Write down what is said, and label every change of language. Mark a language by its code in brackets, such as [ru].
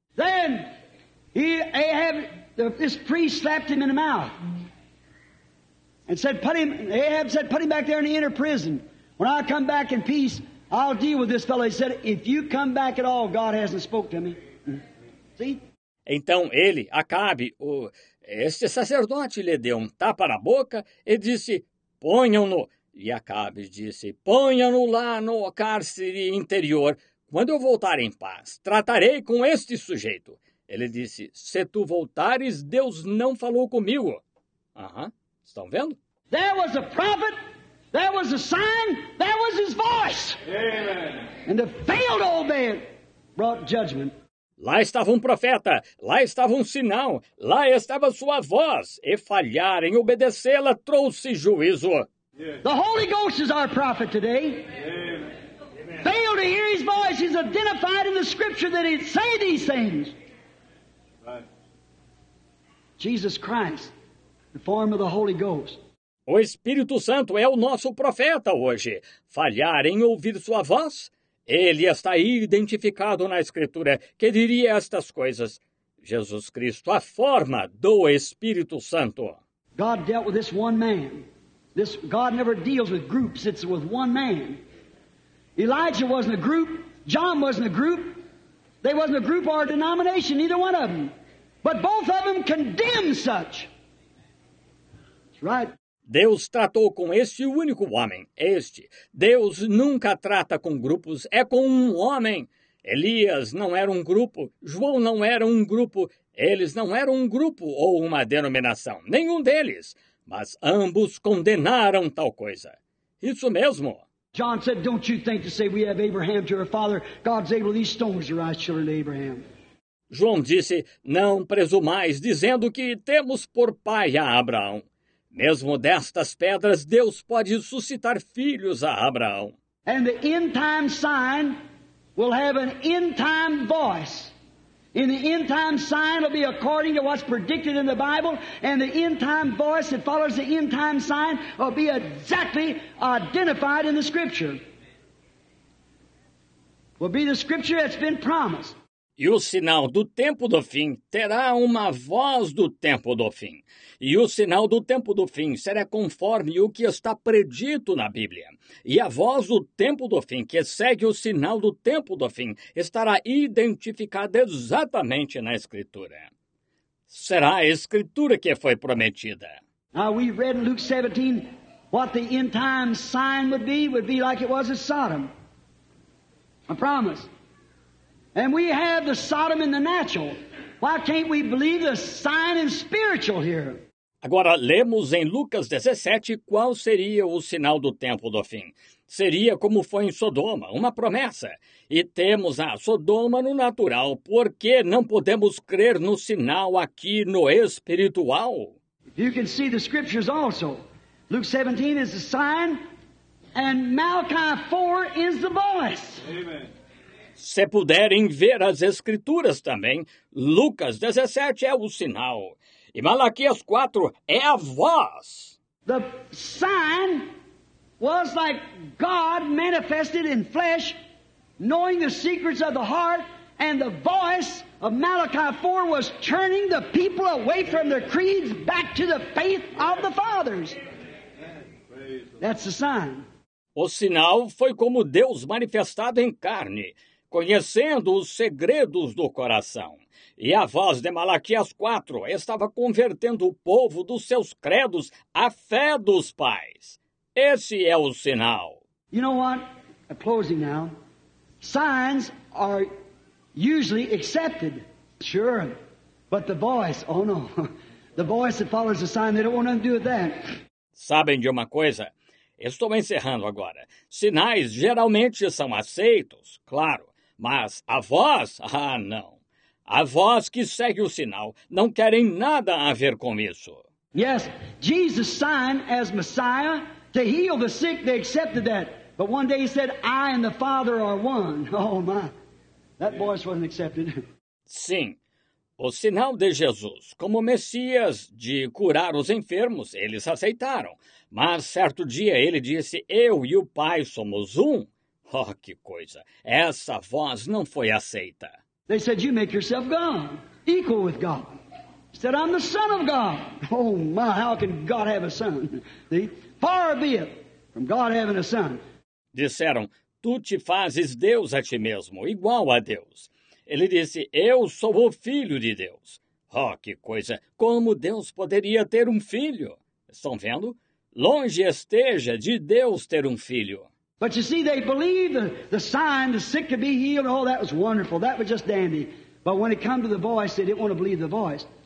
[en] Then, this priest slapped him in the mouth. And said, Ahab said, put him back there in the inner prison. When I come back in peace, I'll deal with this fellow. He said, if you come back at all, God hasn't spoken to me. See? [pt] Então ele, Acabe, este sacerdote lhe deu um tapa na boca e disse, ponham-no. E Acabe disse, ponham-no lá no cárcere interior. Quando eu voltar em paz, tratarei com este sujeito. Ele disse, se tu voltares, Deus não falou comigo. Estão vendo? [en] There was a prophet, there was a sign, there was his voice. Amen. And the failed old man brought judgment. [pt] Lá estava um profeta, lá estava um sinal, lá estava sua voz. E falhar em obedecê-la trouxe juízo. [en] The Holy Ghost is our prophet today. Amen. Fail to hear his voice. He's identified in the scripture that he'd say these things. Right. Jesus Christ, the form of the Holy Ghost. [pt] O Espírito Santo é o nosso profeta hoje. Falhar em ouvir sua voz? Ele está aí identificado na Escritura, que diria estas coisas. Jesus Cristo, a forma do Espírito Santo. [en] God dealt with this one man. This God never deals with groups, it's with one man. Elijah wasn't a group, John wasn't a group. They wasn't a group or a denomination, neither one of them. But both of them condemned such. That's right. [pt] Deus tratou com este único homem, este. Deus nunca trata com grupos, é com um homem. Elias não era um grupo, João não era um grupo, eles não eram um grupo ou uma denominação, nenhum deles. Mas ambos condenaram tal coisa. Isso mesmo. [en] John said, don't you think to say we have Abraham to our father, God's able these stones to rise children of Abraham. [pt] João disse, não presumais, dizendo que temos por pai a Abraão. Mesmo destas pedras, Deus pode suscitar filhos a Abraão. [en] And the end time sign will have an end time voice. And the end time sign will be according to what's predicted in the Bible. And the end time voice that follows the end time sign will be exactly identified in the Scripture. Will be the Scripture that's been promised. [pt] E o sinal do tempo do fim terá uma voz do tempo do fim. E o sinal do tempo do fim será conforme o que está predito na Bíblia. E a voz do tempo do fim, que segue o sinal do tempo do fim, estará identificada exatamente na Escritura. Será a Escritura que foi prometida. [en] Now we read in Luke 17 what the end time sign would be like it was in Sodom. A promise. And we have the Sodom in the natural. Why can't we believe the sign in spiritual here? [pt] Agora lemos em Lucas 17 qual seria o sinal do tempo do fim. Seria como foi em Sodoma, uma promessa. E temos a Sodoma no natural. Por que não podemos crer no sinal aqui no espiritual? [en] You can see the scriptures also. Luke 17 is the sign, and Malachi 4 is the voice. Amen. [pt] Se puderem ver as Escrituras também, Lucas 17 é o sinal. E Malaquias 4 é a voz. [en] The sign was like God manifested in flesh, knowing the secrets of the heart, and the voice of Malachi 4 was turning the people away from their creeds back to the faith of the fathers. That's the sign. [pt] O sinal foi como Deus manifestado em carne, conhecendo os segredos do coração. E a voz de Malaquias 4 estava convertendo o povo dos seus credos à fé dos pais. Esse é o sinal. [en] You know what? I'm closing now. Signs are usually accepted. Sure. But the voice, oh no. The voice that follows the sign, they don't want nothing to do with that. [pt] Sabem de uma coisa? Estou encerrando agora. Sinais geralmente são aceitos, claro. Mas a voz, ah, não. A voz que segue o sinal não querem nada a ver com isso. [en] Yes, Jesus signed as Messiah to heal the sick. They accepted that. But one day he said, I and the Father are one. Oh, my. That voice wasn't accepted. [pt] Sim. O sinal de Jesus como Messias de curar os enfermos, eles aceitaram. Mas certo dia ele disse, eu e o Pai somos um. Oh, que coisa. Essa voz não foi aceita. [en] They said, you make yourself God, equal with God. Said, I'm the Son of God. Oh, my, how can God have a son? See? Far be it from God having a son. [pt] Disseram, tu te fazes Deus a ti mesmo, igual a Deus. Ele disse, eu sou o Filho de Deus. Oh, que coisa. Como Deus poderia ter um filho? Estão vendo? Longe esteja de Deus ter um filho. [en] But you see, they believed the sign, the sick could be healed. Oh, that was wonderful. That was just dandy. But when it came to the voice, they didn't want to believe the voice.